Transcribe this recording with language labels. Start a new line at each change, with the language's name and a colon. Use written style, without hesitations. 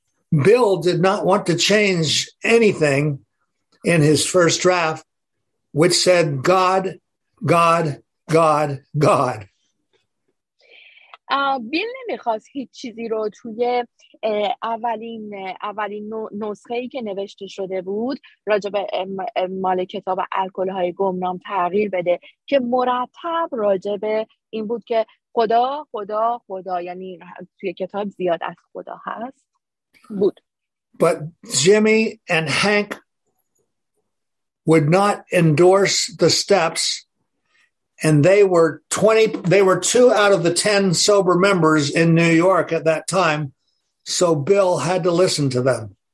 English: Bill did not want to change anything in his first draft, which said God, God, God, God.
Persian: بیل نمیخواست هیچ چیزی رو توی اولین نسخه‌ای که نوشته شده بود راجع به مال کتاب الکل‌های گمنام تغییر بده که مرتب راجع به این بود که خدا، خدا، خدا، یعنی توی کتاب زیاد از خدا هست.
English: But Jimmy and Hank would not endorse the steps, and they were two out of the 10 sober members in New York at that time, so Bill had to listen to them.